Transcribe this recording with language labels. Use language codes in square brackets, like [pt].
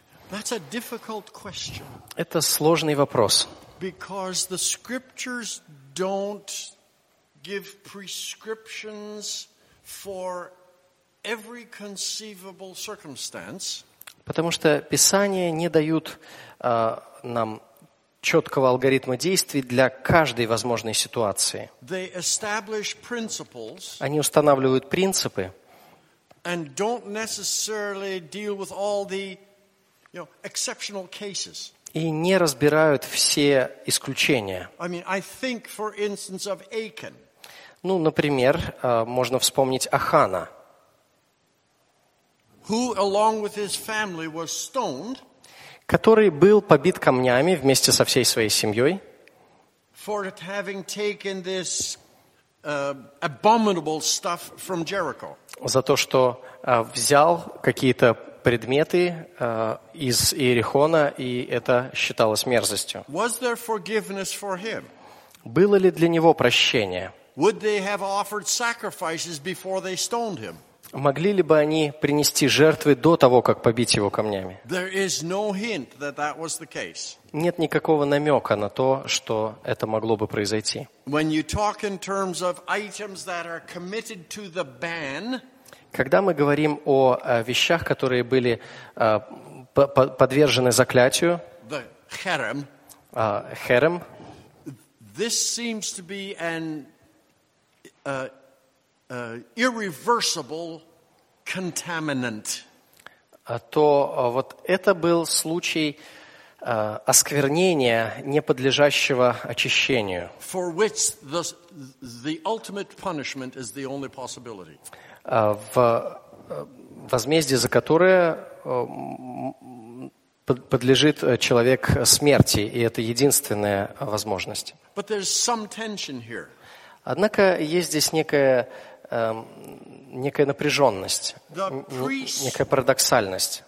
[en] That's a difficult question. [ru] Это сложный вопрос. [en] Because the scriptures don't give prescriptions for every conceivable circumstance. [ru] Потому что Писание не дают нам четкого алгоритма действий для каждой возможной ситуации. [en] They establish principles. [ru] Они устанавливают принципы. [en] And don't necessarily deal with all the exceptional cases. [ru] И не разбирают все исключения. [en] I mean, I think, for instance, of Achan. [ru] Ну, например, можно вспомнить Ахана, [en] who, along with his family, was stoned, [ru] который был побит камнями вместе со всей своей семьей [en] for having taken this abominable stuff from Jericho. [ru] За то, что взял какие-то предметы из Иерихона, и это считалось мерзостью. [en] Was there forgiveness for him? [ru] Было ли для него прощение? [en] Would they have offered sacrifices before they stoned him? [ru] Могли ли бы они принести жертвы до того, как побить его камнями? [en] There is no hint that that was the case. [ru] Нет никакого намека на то, что это могло бы произойти. [en] When you talk in terms of items that are committed to the ban, [ru] когда мы говорим о вещах, которые были подвержены заклятию, [en] the херем, [ru] херем, [en] this seems to be an irreversible contaminant. [ru] То вот это был случай осквернения, не подлежащего очищению. [en] For which the ultimate punishment is the only possibility. [ru] В возмездии, за которое подлежит человек смерти, и это единственная возможность. [en] But there's some tension here. [ru] Однако есть здесь некая напряженность, некая парадоксальность.